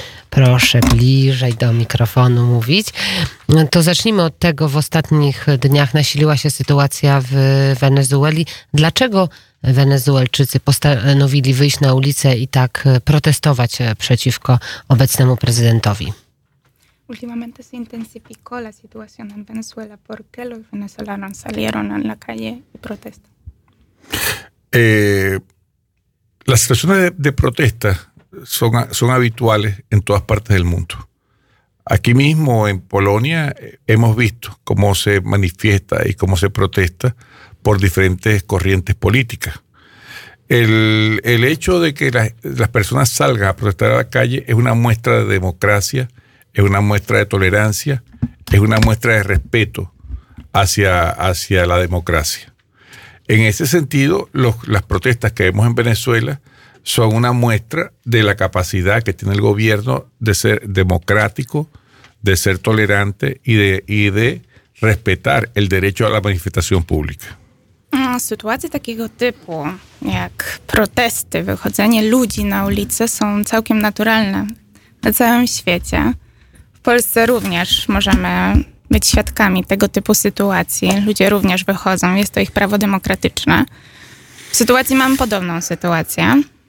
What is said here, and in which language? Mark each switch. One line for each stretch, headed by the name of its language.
Polish: Proszę bliżej do mikrofonu mówić. To zacznijmy od tego, w ostatnich dniach nasiliła się sytuacja w Wenezueli. Dlaczego Wenezuelczycy postanowili wyjść na ulicę i tak protestować przeciwko obecnemu prezydentowi?
Spanish: Últimamente se intensificó la situación en Venezuela. ¿Por qué los venezolanos salieron a la calle y protestan? Las situaciones de protesta son habituales en todas partes del mundo. Aquí mismo en Polonia hemos visto cómo se manifiesta y cómo se protesta por diferentes corrientes políticas. El hecho de que las personas salgan a protestar a la calle es una muestra de democracia, es una muestra de tolerancia, es una muestra de respeto hacia la democracia. En ese sentido, las protestas que vemos en Venezuela son una muestra de la capacidad que tiene el gobierno de ser democrático, de ser tolerante y de respetar el derecho a la manifestación pública.
Polish: Sytuacje takiego typu, jak protesty, wychodzenie ludzi na ulicę są całkiem naturalne na całym świecie. W Polsce również możemy być świadkami tego typu sytuacji. Ludzie również wychodzą, jest to ich prawo demokratyczne. W sytuacji mamy podobną sytuację.